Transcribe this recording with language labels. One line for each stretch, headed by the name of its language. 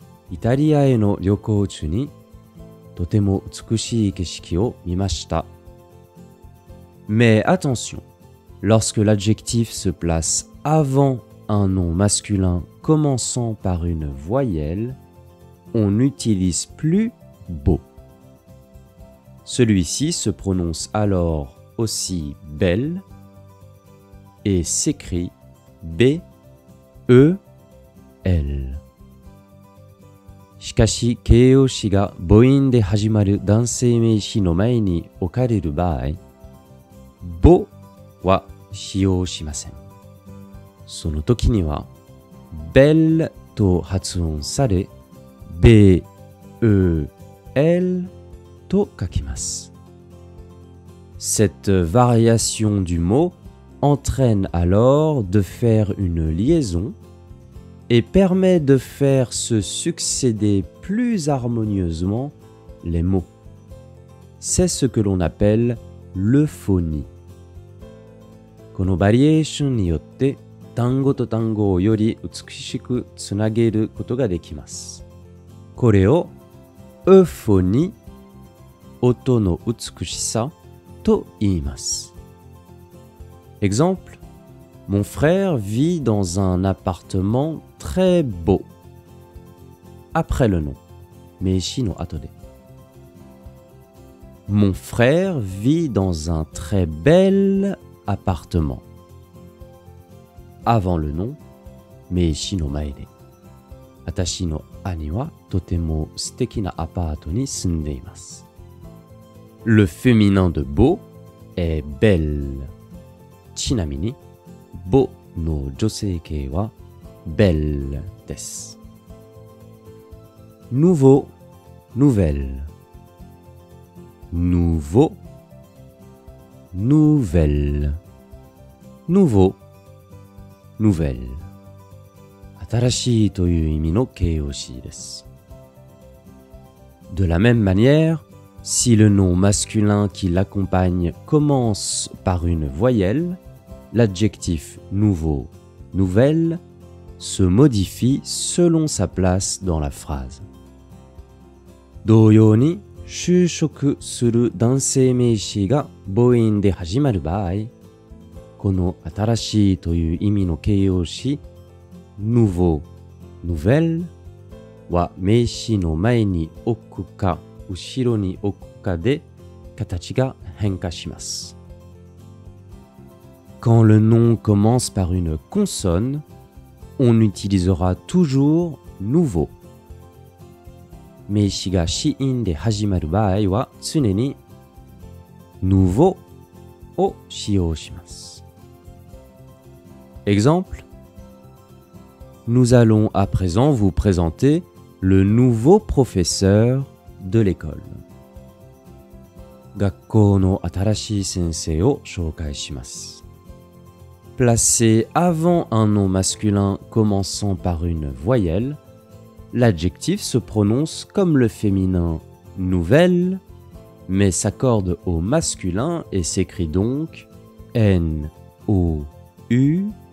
Japanese: イタリアへの旅行中にとても美しい景色を見ました。
French: Mais attention! Lorsque l'adjectif se place avant un nom masculin commençant par une voyelle, on n'utilise plus beau. Celui-ci se prononce alors aussi belle et s'écrit B-E-L.
Japanese: しかし、形容詞が母音で始まる男性名詞の前に置かれる場合、beau は使用しません。その時には、belle と発音され、B-E-L と書きます。
French: Cette variation du mot entraîne alors de faire une liaison et permet de faire se succéder plus harmonieusement les mots. C'est ce que l'on appelle l'euphonie.
Japanese: このバリエーションによって単語と単語をより美しくつなげることができます。これをウフォニ、音の美しさと言います。
French: Exemple: Mon frère vit dans un appartement très beau. Après le nom,
Japanese: 名詞の後で。
French: Mon frère vit dans un très bel appartement. Avant le nom,
Japanese: 名詞の前で。私の兄はとても素敵なアパートに住んでいます。
French: Le féminin de beau est belle.
Japanese: ちなみに、beau の女性形は belle です。
French: Nouveau, nouvelle. Nouveau, nouvelle. Nouveau. Nouvelle.
Japanese: 新しいという意味の形容詞です。
French: De la même manière, si le nom masculin qui l'accompagne commence par une voyelle, l'adjectif nouveau, nouvelle, se modifie selon sa place dans la phrase.
Japanese: 同様に、就職する男性名詞が母音で始まる場合、この新しいという意味の形容詞 nouveau, nouvelle は名詞の前に置くか後ろに置くかで形が変化します。
French: Quand le nom commence par une consonne, on utilisera toujours nouveau.
Japanese: 名詞が子音で始まる場合は常に nouveau を使用します。
French: Exemple, nous allons à présent vous présenter le nouveau professeur de l'école.
Japanese: 学校の新しい先生を紹介します。
French: Placé avant un nom masculin commençant par une voyelle, l'adjectif se prononce comme le féminin nouvelle, mais s'accorde au masculin et s'écrit donc N-O-U-E-L-L.